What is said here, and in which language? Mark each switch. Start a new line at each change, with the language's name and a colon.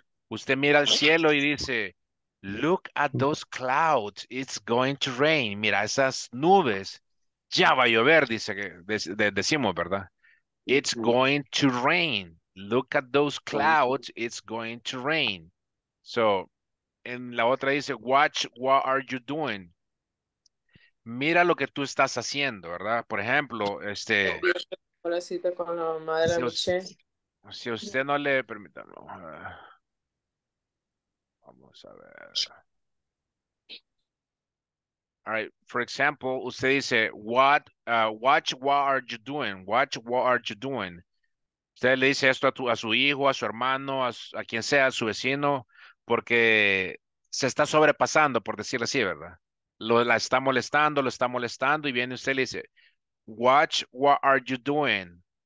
Spanish: Usted mira al cielo y dice,
English: look at those clouds. It's going to rain.
Spanish: Mira esas nubes. Ya va a llover, dice que decimos, ¿verdad?
English: It's going to rain. Look at those clouds. It's going to rain. So,
Spanish: en la otra dice,
English: watch what are you doing.
Spanish: Mira lo que tú estás haciendo, ¿verdad? Por ejemplo, este... Hola, cita con la mamá de la si noche. Usted, si usted no le permita, vamos a ver.
English: All right, for example,
Spanish: usted dice,
English: watch what are you doing? Watch what are you doing?
Spanish: Usted le dice esto a su hijo, a su hermano, a quien sea, a su vecino, porque se está sobrepasando, por decirlo así, ¿verdad? Lo está molestando, y viene usted y le dice,
English: watch what are you doing?